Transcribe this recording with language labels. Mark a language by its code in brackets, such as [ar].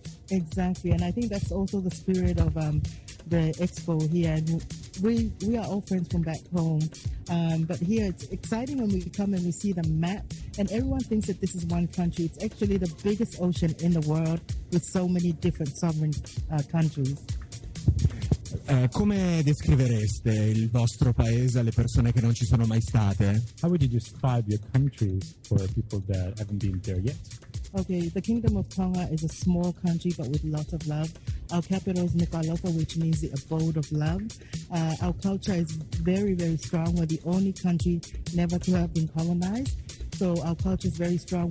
[en] Exactly, and I think that's also the spirit of the Expo here. And we are all friends from back home, but here it's exciting when we come and we see the map, and everyone thinks that this is one country. It's actually the biggest ocean in the world with so many different sovereign countries. [it] Come descrivereste il vostro paese alle persone che non ci sono mai state? [en] How would you describe your country for people that haven't been there yet? Okay, the Kingdom of Tonga is a small country but with lots of love. Our capital is Nukualofa, which means the abode of love. Our culture is very, very strong. We're the only country never to have been colonized. So our culture is very strong.